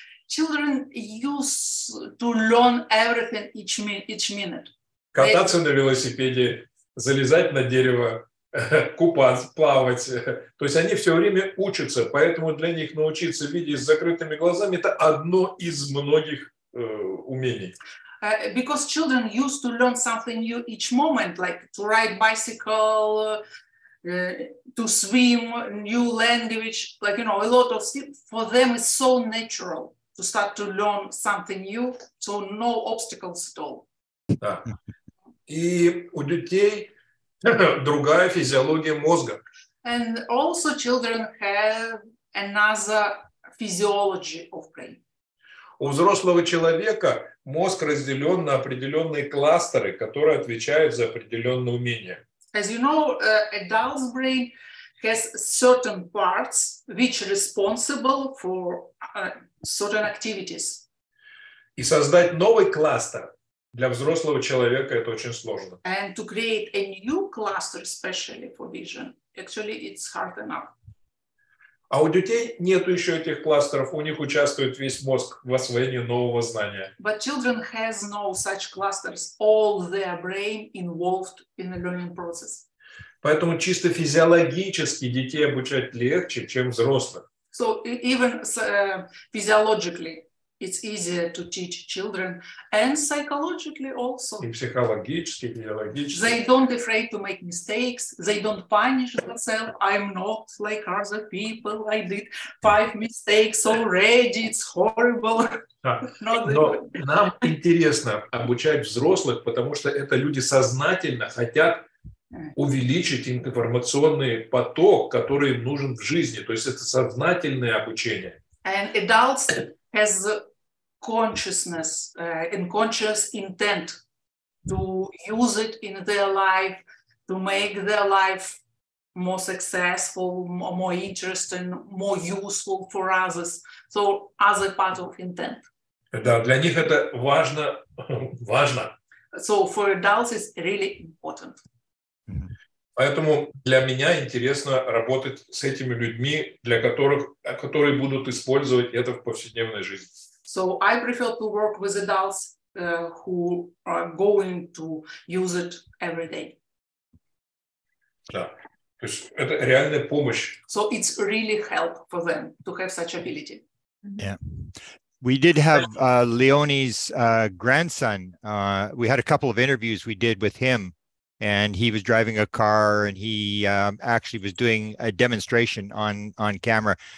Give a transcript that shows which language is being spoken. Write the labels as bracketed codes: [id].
[en] Children use to learn everything each minute. [ru] Кататься на велосипеде, залезать на дерево, купаться, плавать. То есть они все время учатся, поэтому для них научиться видеть с закрытыми глазами – это одно из многих умений. [en] Because children used to learn something new each moment, like to ride bicycle, to swim, new language, like, you know, a lot of stuff. For them, it's so natural to start to learn something new, so no obstacles at all. [ru] Да. И у детей другая физиология мозга. [en] And also children have another physiology of brain. [ru] У взрослого человека мозг разделен на определенные кластеры, которые отвечают за определенные умения. [en] As you know, adult's brain has certain parts which are responsible for certain activities. [ru] И создать новый кластер для взрослого человека – это очень сложно. [en] And to create a new cluster, especially for vision, actually it's hard enough. [ru] А у детей нет еще этих кластеров, у них участвует весь мозг в освоении нового знания. [en] But children has no such clusters, all their brain involved in the learning process. [ru] Поэтому чисто физиологически детей обучать легче, чем взрослых. [en] So even physiologically it's easier to teach children and psychologically also. [ru] И психологически, физиологически. [en] They don't afraid to make mistakes. They don't punish themselves. I'm not like other people. I did 5 mistakes already. It's horrible. [ru] Но нам интересно обучать взрослых, потому что это люди сознательно хотят увеличить информационный поток, который им нужен в жизни. То есть это сознательное обучение. [en] And adults has consciousness and conscious intent to use it in their life, to make their life more successful, more interesting, more useful for others. So, other part of intent. [ru] Да, для них это важно. [en] So, for adults, it's really important. [ru] Поэтому для меня интересно работать с этими людьми, для которых, которые будут использовать это в повседневной жизни. [en] So I prefer to work with adults who are going to use it every day. [ru] Да, то есть это реальная помощь. [en] So it's really help for them to have such ability. Yeah. We did have Leonie's grandson. We had a couple of interviews we did with him, and he was driving a car, and he actually was doing a demonstration on camera.